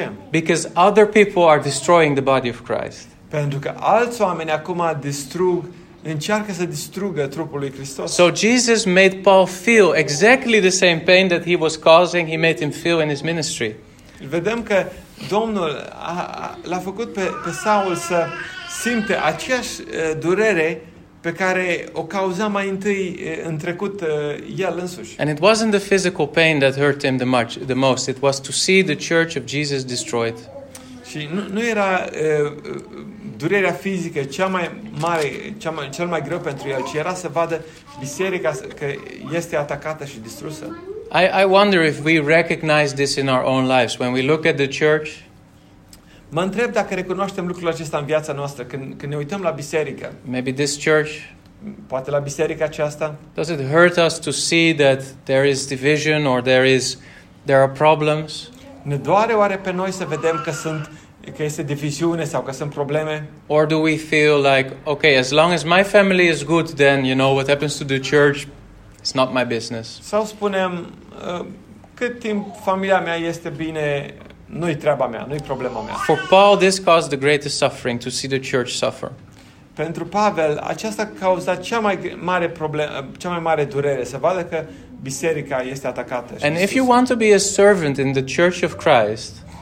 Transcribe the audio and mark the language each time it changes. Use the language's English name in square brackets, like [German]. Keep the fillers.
[English] Because other people are destroying the body of Christ. [Romanian] pentru că alți oameni acum distrug încearcă să distrugă trupul lui Hristos. [English] So Jesus made Paul feel exactly the same pain that he was causing, he made him feel in his ministry. [Romanian] Vedem că Domnul a, a, l-a făcut pe, pe Saul să simte aceeași uh, durere pe care o cauza mai întâi uh, în trecut uh, el însuși. [English] And it wasn't the physical pain that hurt him the, much, the most, it was to see the church of Jesus destroyed. [Romanian] Și nu, nu era uh, durerea fizică cea mai mare, cea mai, cel mai greu pentru el, Ce era să vadă biserica că este atacată și distrusă. [English] I, I wonder if we recognize this in our own lives. When we look at the church, [Romanian] mă întreb dacă recunoaștem lucrul acesta în viața noastră, când, când ne uităm la biserică. [English] Maybe this church, [Romanian] poate la biserica aceasta. [English] Does it hurt us to see that there is division or there is there are problems? [Romanian] Ne doare oare pe noi să vedem că sunt că este diviziune sau că sunt probleme? [English] Or do we feel like, okay, as long as my family is good, then, you know, what happens to the church, it's not my business. [Romanian] Sau spunem, cât timp familia mea este bine, nu-i treaba mea, nu-i problema mea. [English] For Paul, this caused the greatest suffering, to see the church suffer. [Romanian] Pentru Pavel, aceasta cauza cea mai mare problemă, cea mai mare durere, să vadă că biserica este atacată. [English] And if you want to be a servant in the church of Christ,